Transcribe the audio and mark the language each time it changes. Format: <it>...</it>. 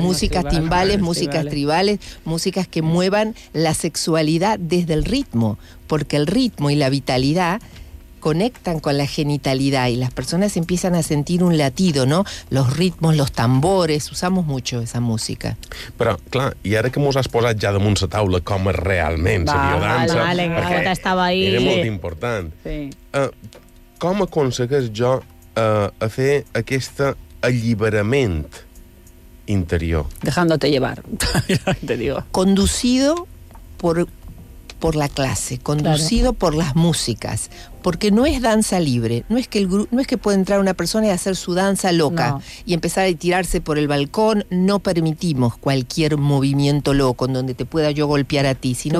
<es>músicas timbales, músicas tribales, músicas que muevan la sexualidad desde el ritmo, porque el ritmo y la vitalidad conectan con la genitalidad y las personas empiezan a sentir un latido, ¿no? Los ritmos, los tambores, usamos mucho esa música.</es> <ca>Però, clar, i ara que mos has posat ja damunt la taula com és realment la biodança, perquè la gota estava ahí. Era molt important. Sí. Com aconsegueix jo a fer aquest alliberament interior.</ca> <es>Dejándote llevar, te digo. Conducido por la clase, conducido claro. por las músicas, porque no es danza libre, no es que pueda entrar una persona y hacer su danza loca no. y empezar a tirarse por el balcón, no permitimos cualquier movimiento loco en donde te pueda yo golpear a ti, sino</es>